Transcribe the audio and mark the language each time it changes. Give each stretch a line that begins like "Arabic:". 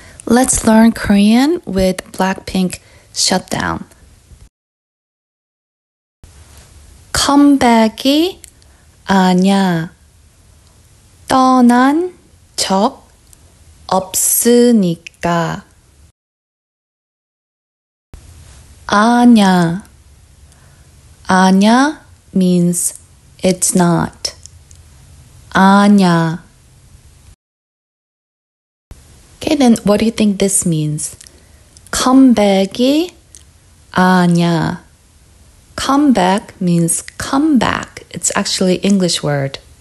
English: Let's learn Korean with BLACKPINK Shutdown.
Korean: Comeback이 아니야. 떠난 적 없으니까. 아냐.
English: 아냐 means it's not.
Korean: 아냐.
English: Okay, then what do you think this means?
Korean: Comeback이 아냐.
English: Comeback means come back. It's actually an English word.